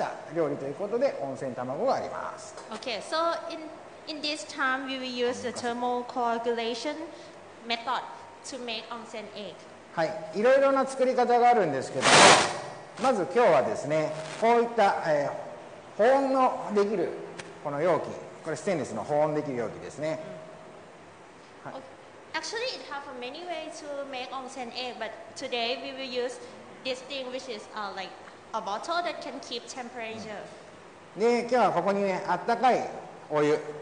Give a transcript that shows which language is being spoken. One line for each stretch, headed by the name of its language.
Japanese: はい、ですのでそういったものの熱でね火が通る、覆われてないね、ものの違う特性を生かした料理ということで温泉卵があります。Okay,
English: so in this time we will use the thermal coagulation method to make onsen egg.
Japanese: はい、いろいろな作り方があるんですけど、まず今日はですね、こういった保温のできるこの容器。これステンレスの保温できる容器ですね。
English: Actually, it has many ways to make onsen egg, but today we will use this thing, which is like a bottle that can keep temperature.
Japanese: で、今日はここにね、あったかいお湯。